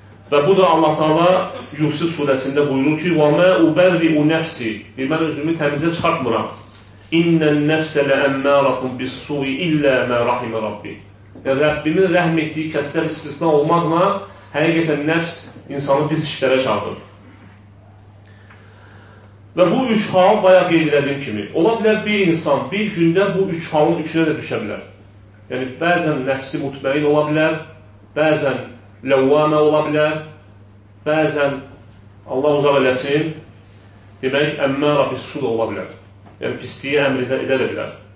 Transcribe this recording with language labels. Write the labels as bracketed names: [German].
[Azerbaijani] Və bu da Allah Teala Yusuf surəsində buyurur ki: [Arabic] "Və mə ubərri'u nəfsi", [Azerbaijani] deyir, mən özümü təmizə çıxartmıram. [Arabic] "İnnen-nefse le-emmaratu bis-su illa mə rahimə rabbi." [Azerbaijani] Yani Rəbbinin rəhm etdiyi kəssər istisna olmaqla həqiqətən nəfs insanı pis işlərə çağırır. Və bu üç hal bayaq qeyd edildiyim kimi. Ola bilər bir insan bir gündə bu üç halın üçünə də düşə bilər. Yəni bəzən nəfsi mutmain ola bilər, bəzən ləvvamə ola bilər, bəzən Allah uzaq eləsin, demək əmmə rabbi su da ola bilər. Yəni pisliyi əmr edə bilər.